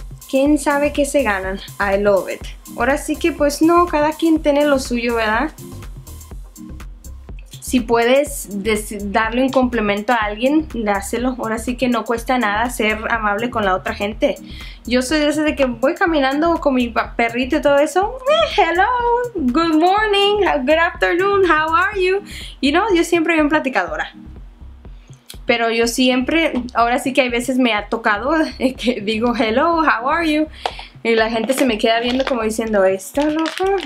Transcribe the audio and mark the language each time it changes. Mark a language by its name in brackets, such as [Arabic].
[Spanish] ¿Quién sabe qué se ganan? [English] I love it. [Spanish] Ahora sí que pues no, cada quien tiene lo suyo, ¿verdad? Si puedes darle un complemento a alguien, dáselo. Ahora sí que no cuesta nada ser amable con la otra gente. Yo soy de esas de que voy caminando con mi perrito y todo eso. [English] Hello, good morning, good afternoon, how are you? [Spanish] Y no, yo siempre soy una platicadora. Pero yo siempre, ahora sí que hay veces me ha tocado que digo [English] hello, how are you? [Spanish] Y la gente se me queda viendo como diciendo, ¿está loca?